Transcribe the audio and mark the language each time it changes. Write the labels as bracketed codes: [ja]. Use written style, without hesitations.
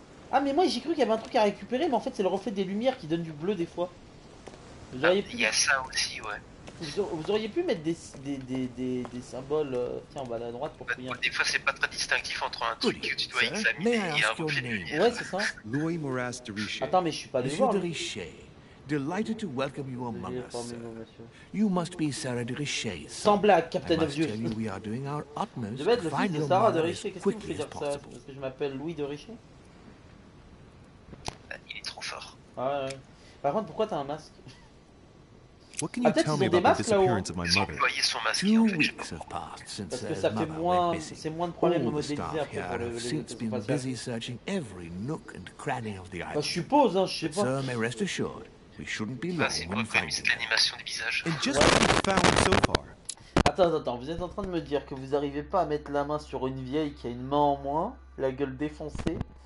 [fr] Ah, mais moi j'ai cru qu'il y avait un truc à récupérer, mais en fait c'est le reflet des lumières qui donne du bleu des fois. Vous auriez pu... Il y a ça aussi, ouais. Vous auriez pu mettre des symboles. Tiens, on va à la droite pour fouiller. Des fois, c'est pas très distinctif entre un truc que tu dois examiner et un reflet. Ouais, c'est ça. Louis Maurras de Richer. Attends, mais je suis pas devant. [en] Monsieur de Richer, delighted to welcome you among us. You must be Sarah de Richer. [fr] Sans blague, [en] Captain of Youth. [fr] Je vais être le fils de Sarah de Richer. Qu'est-ce que vous faites dire ça? Est-ce que je m'appelle Louis de Richer? Il est trop fort. Ouais. Par contre, pourquoi t'as un masque? [en] What can you tell me about the disappearance of my mother? Two weeks have passed since her mother went missing. All the staff here have since been busy searching every nook and cranny of the island. But sir may rest assured, we shouldn't be long when finding her. And just what we've found so far. [fr] Attends, vous êtes en train de me dire que vous arrivez pas à mettre la main sur une vieille qui a une main en moins, la gueule défoncée.